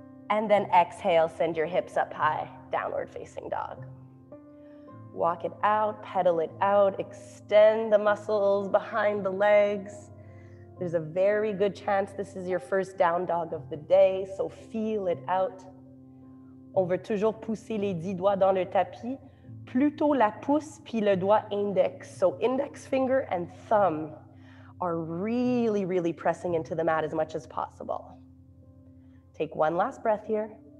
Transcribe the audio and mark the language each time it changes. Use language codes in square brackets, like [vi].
[en] And then exhale, send your hips up high, downward facing dog. Walk it out, pedal it out, extend the muscles behind the legs. There's a very good chance this is your first down dog of the day, so feel it out. [fr] On veut toujours pousser les 10 doigts dans le tapis. Plutôt la pouce puis le doigt index. [en] So index finger and thumb are really, really pressing into the mat as much as possible. Take one last breath here.